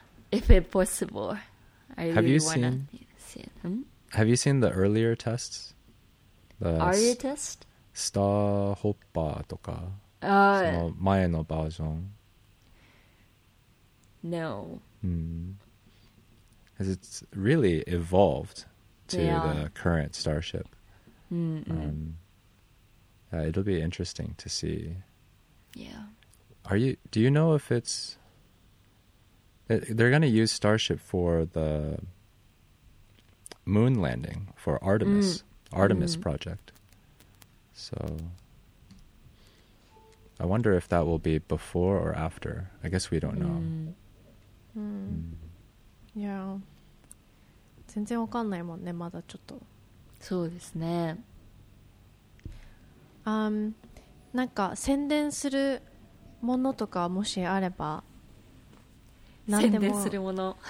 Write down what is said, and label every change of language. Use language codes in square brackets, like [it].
[en] If it possible, I really want to see it. Have you seen the earlier tests? Are you test? [ja] スターホッパーとか、その前のバージョン。 [en] No. Because it's really evolved to the current Starship. It'll be interesting to see. Yeah. Do you know if it's... They're going to use Starship for the moon landing for Artemis. Artemis project. So, I wonder if that will be before or after. I guess we don't know. Yeah. [ja] 全然わかんないもんね、まだちょっと。そうですね。なんか宣伝するものとかもしあれば、宣伝するもの。